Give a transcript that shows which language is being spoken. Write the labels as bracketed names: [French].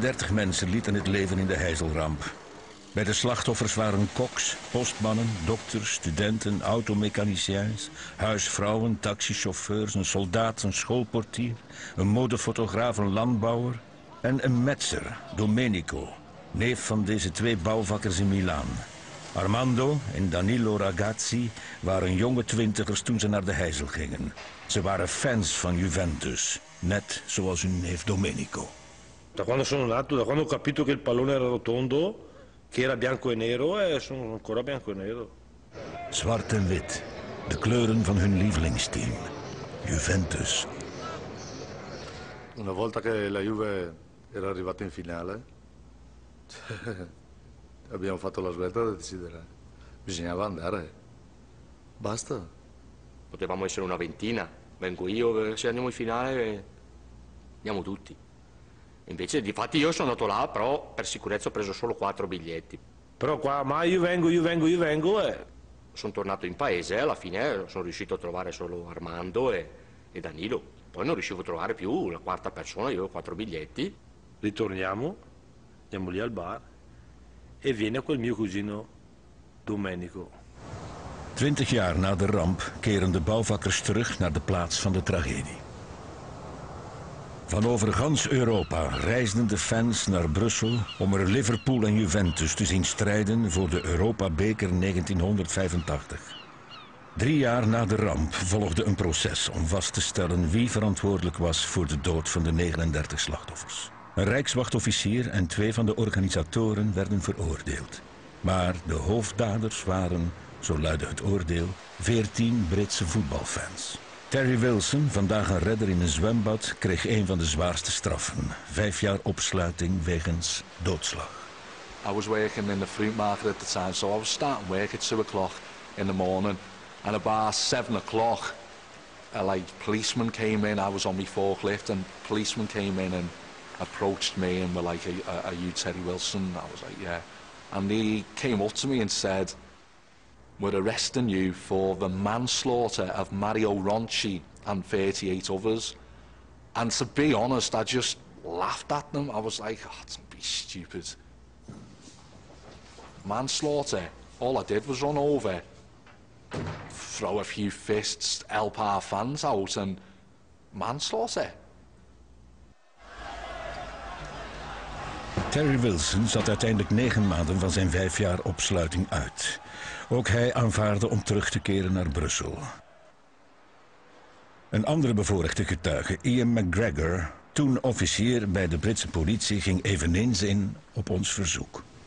[Dutch] ...39 mensen lieten het leven in de Heyselramp. Bij de slachtoffers waren koks, postmannen, dokters, studenten, automechaniciens, huisvrouwen, taxichauffeurs, een soldaat, een schoolportier, een modefotograaf, een landbouwer en een metser, Domenico, neef van deze twee bouwvakkers in Milaan. Armando en Danilo Ragazzi waren jonge twintigers toen ze naar de Heysel gingen. Ze waren fans van Juventus, net zoals hun neef Domenico. [Italian] Da quando sono nato, da quando ho capito che il pallone era rotondo, che era bianco e nero, sono ancora bianco e nero. [Dutch] Zwart en wit, de kleuren van hun lievelingsteam, Juventus. [Italian] Una volta che la Juve era arrivata in finale, abbiamo fatto la svolta da decidere. Bisognava andare. Basta. Potevamo essere una ventina. Vengo io, se andiamo in finale, andiamo tutti. Invece, difatti, io sono andato là, però per sicurezza ho preso solo 4 biglietti. Però qua, ma io vengo. Sono tornato in paese e alla fine sono riuscito a trovare solo Armando e Danilo. Poi non riuscivo a trovare più la quarta persona, io ho 4 biglietti. Ritorniamo, andiamo lì al bar e viene quel mio cugino Domenico. [Dutch] 20 jaar na de ramp keren de bouwvakkers terug naar de plaats van de tragedie. Van over gans Europa reisden de fans naar Brussel om er Liverpool en Juventus te zien strijden voor de Europa-beker 1985. Drie jaar na de ramp volgde een proces om vast te stellen wie verantwoordelijk was voor de dood van de 39 slachtoffers. Een rijkswachtofficier en twee van de organisatoren werden veroordeeld. Maar de hoofddaders waren, zo luidde het oordeel, 14 Britse voetbalfans. Terry Wilson, vandaag een redder in een zwembad, kreeg een van de zwaarste straffen. 5 jaar opsluiting wegens doodslag. [English] I was working in the fruit market at the time, so I was starting work at 2 o'clock in the morning. And about 7 o'clock, a like policeman came in. I was on my forklift and policeman came in and approached me and were like, are you Terry Wilson? I was like, yeah. And he came up to me and said, were arresting you for the manslaughter of Mario Ronchi and 38 others. And to be honest, I just laughed at them. I was like, oh, don't be stupid. Manslaughter, all I did was run over, throw a few fists, help our fans out, and manslaughter. [Dutch] Terry Wilson zat uiteindelijk 9 maanden van zijn 5 jaar opsluiting uit. Ook hij aanvaarde om terug te keren naar Brussel. Een andere bevoorrechte getuige, Ian McGregor, toen officier bij de Britse politie, ging eveneens in op ons verzoek.